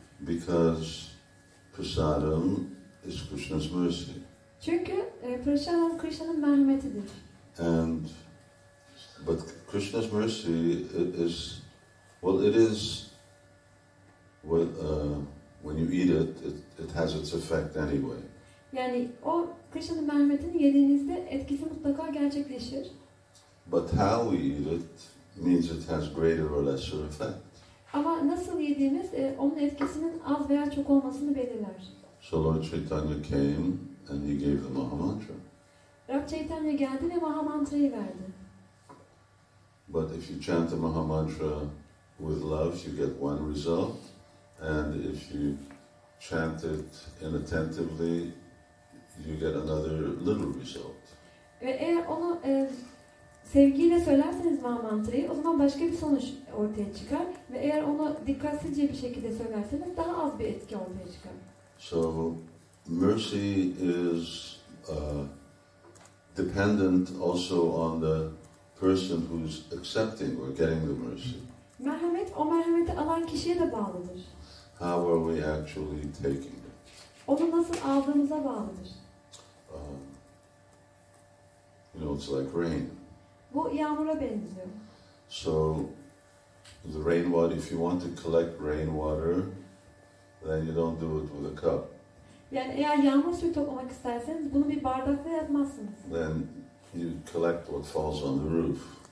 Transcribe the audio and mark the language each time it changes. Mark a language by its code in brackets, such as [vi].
[en] Because prasadam is Krishna's mercy. [tr] Çünkü prasadam Krishna'nın merhametidir. [en] And but Krishna's mercy is, well, it is, well, when you eat it, it has its effect anyway. [tr] Yani o Krishna'nın merhametini yediğinizde etkisi mutlaka gerçekleşir. [en] But how we eat it means it has greater or lesser effect. [tr] Ama nasıl yediğimiz onun etkisinin az veya çok olmasını belirler. [en] So Lord Chaitanya came and he gave the Mahamantra. [tr] Rab Chaitanya geldi ve Mahamantra'yı verdi. [en] But if you chant the Mahamantra with love, you get one result. And if you chant it inattentively, you get another little result. [tr] Ve eğer onu sevgiyle söylerseniz Mahamantra'yı, o zaman başka bir sonuç ortaya çıkar. Ve eğer onu dikkatsizce bir şekilde söylerseniz daha az bir etki ortaya çıkar. [en] So mercy is dependent also on the person who's accepting or getting the mercy. [tr] Merhamet, o merhameti alan kişiye de bağlıdır. [en] How are we actually taking it? [tr] Onu nasıl aldığımıza bağlıdır. [en] You know, it's like rain. [tr] Bu yağmura benziyor. [en] So the rainwater, if you want to collect rainwater, then you don't do it with a cup. [tr] Yani eğer yağmur suyu toplamak isterseniz bunu bir bardakla yapmazsınız. [en] Then you collect what falls on the roof.